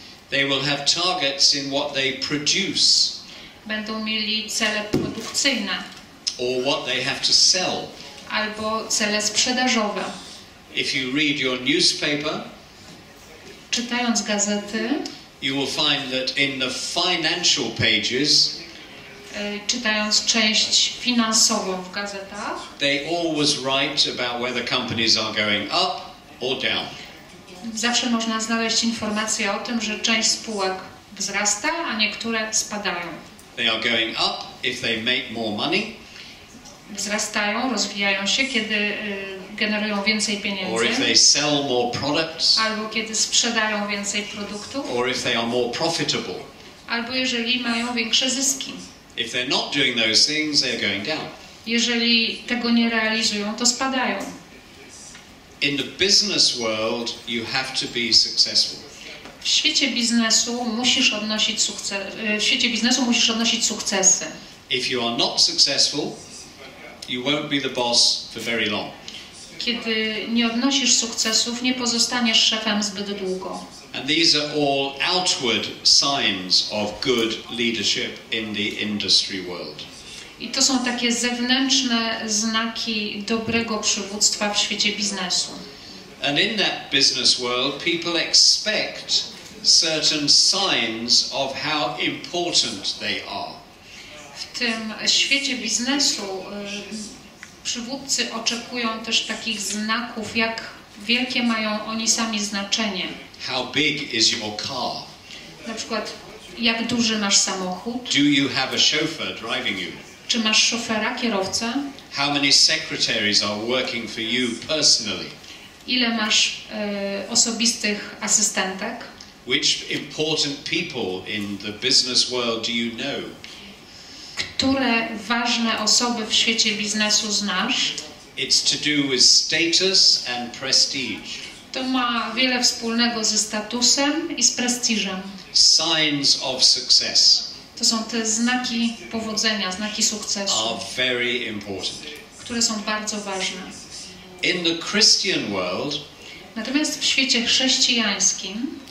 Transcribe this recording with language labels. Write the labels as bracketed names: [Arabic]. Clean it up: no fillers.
[English] They will have targets in what they produce. [Polish] Będą mieli cele produkcyjne. [English] Or what they have to sell. [Polish] Albo cele sprzedażowe. [English] If you read your newspaper, [Polish] czytając gazety, [English] you will find that in the financial pages, [Polish] czytając część finansową w gazetach, [English] they always write about whether companies are going up or down. [Polish] Zawsze można znaleźć informacje o tym, że część spółek wzrasta, a niektóre spadają. [English] They are going up if they make more money. [Polish] Wzrastają, rozwijają się, kiedy generują więcej pieniędzy. [English] Or if they sell more products. [Polish] Albo kiedy sprzedają więcej produktów. [English] Or if they are more profitable. [Polish] Albo jeżeli mają większe zyski. [English] If they're not doing those things, they're going down. [Polish] Jeżeli tego nie realizują, to spadają. [English] In the business world, you have to be successful. [Polish] W świecie biznesu musisz odnosić sukces. W świecie biznesu musisz odnosić sukcesy. [English] If you are not successful, you won't be the boss for very long. [Polish] Kiedy nie odnosisz sukcesów, nie pozostaniesz szefem zbyt długo. [English] And these are all outward signs of good leadership in the industry world. [Polish] I to są takie zewnętrzne znaki dobrego przywództwa w świecie biznesu. [English] And in that business world, people expect certain signs of how important they are. [Polish] W tym świecie biznesu przywódcy oczekują też takich znaków, jak wielkie mają oni sami znaczenie. [English] How big is your car? [Polish] Na przykład, jak duży masz samochód? [English] Do you have a chauffeur driving you? [Polish] Czy masz szofera, kierowcę? [English] How many secretaries are working for you personally? [Polish] Ile masz osobistych asystentek? [English] Which important people in the business world do you know? [Polish] Które ważne osoby w świecie biznesu znasz? [English] It's to do with status and prestige. [Polish] To ma wiele wspólnego ze statusem i z prestiżem. [English] Signs of success. [Polish] To są te znaki powodzenia, znaki sukcesu. [English] Are very important. [Polish] Które są bardzo ważne. [English] In the Christian world, [Polish] natomiast w świecie chrześcijańskim,